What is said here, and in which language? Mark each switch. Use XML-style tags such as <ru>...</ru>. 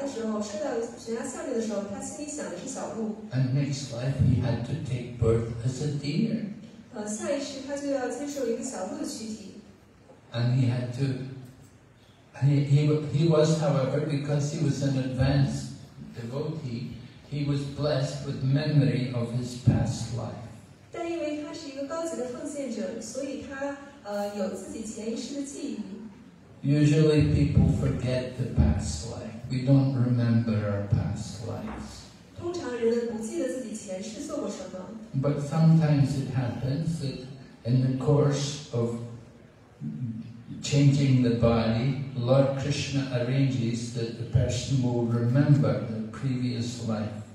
<zh>然后巴拉马哈拉就不幸地从这个悬崖上摔了下来，在他堕崖的时候，摔到悬崖下面的时候，他心里想的是小鹿。</zh> <en>And next life he had to take birth as a deer.</en> <zh>下一世他就要接受一个小鹿的躯体。</zh> <en>And he had to, he was, however, because he was an advanced devotee, he was blessed with memory of his past life.</en> <zh>但因为他是一个高级的奉献者，所以他有自己前一世的记忆。</zh> <en>Usually people forget the past life. We don't remember our past lives.</en> <zh>通常人们不记得自己前世做过什么。</zh> <en>But sometimes it happens that in the course of changing the body, Lord Krishna arranges that the person will remember the previous life.</en>